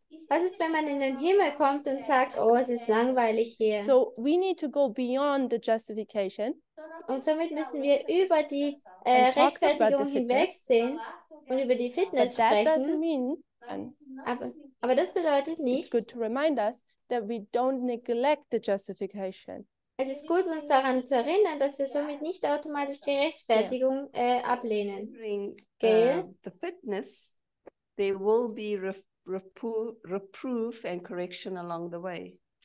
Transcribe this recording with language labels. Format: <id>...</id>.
<de>Was ist, wenn man in den Himmel kommt und sagt, oh, es ist langweilig hier?</de> <en>So we need to go beyond the justification.</en> <de>Und somit müssen wir über die Rechtfertigung hinwegsehen und über die Fitness</de> <en>but that</en> <de>sprechen.</de> <en>Doesn't mean,</en> <de>aber das bedeutet nicht,</de> <en>it's good to remind us that we don't neglect the justification.</en> <de>Es ist gut, uns daran zu erinnern, dass wir somit nicht automatisch die Rechtfertigung ablehnen.</de> <en>Gail? The fitness, there will be reproof and correction along the way.</en>